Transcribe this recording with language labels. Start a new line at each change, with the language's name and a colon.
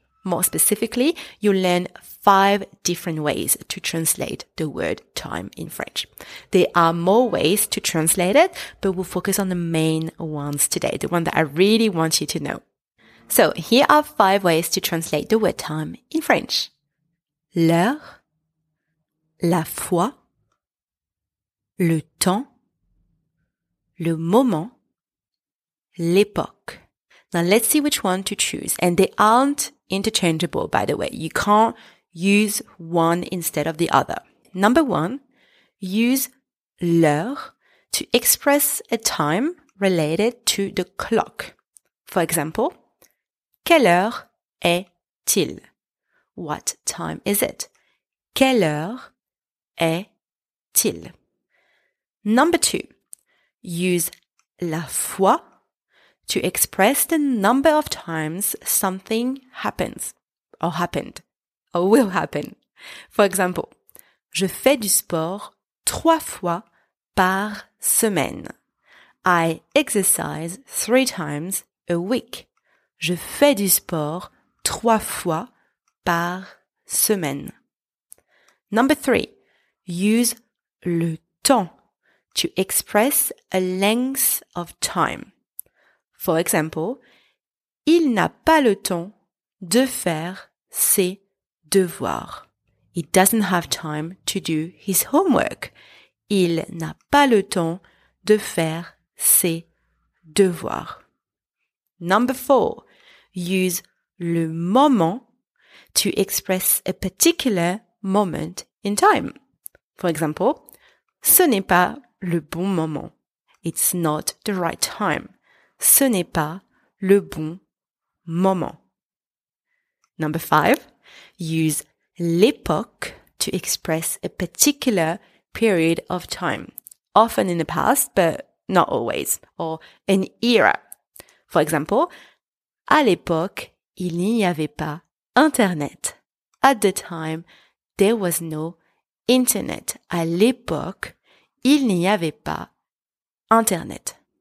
English: More specifically, you learn five different ways to translate the word time in French. There are more ways to translate it, but we'll focus on the main ones today, the one that I really want you to know. So here are five ways to translate the word time in French.
French: L'heure, la foi, le temps, le moment, l'époque.
English: Now let's see which one to choose. And they aren't interchangeable, by the way. You can't use one instead of the other. Number one, use l'heure to express a time related to the clock. For example,
French: quelle heure est-il?
English: What time is it?
French: Quelle heure est-il?
English: Number two, use la foi to express the number of times something happens, or happened, or will happen. For example,
French: je fais du sport trois fois par semaine.
English: I exercise three times a week.
French: Je fais du sport trois fois par semaine.
English: Number three, use le temps to express a length of time. For example,
French: il n'a pas le temps de faire ses devoirs.
English: He doesn't have time to do his homework.
French: Il n'a pas le temps de faire ses devoirs.
English: Number four, use le moment to express a particular moment in time. For example,
French: ce n'est pas le bon moment.
English: It's not the right time.
French: Ce n'est pas le bon moment.
English: Number five, use l'époque to express a particular period of time, often in the past, but not always, or an era. For example,
French: à l'époque, il n'y avait pas Internet.
English: At the time, there was no Internet.
French: À l'époque, il n'y avait pas Internet.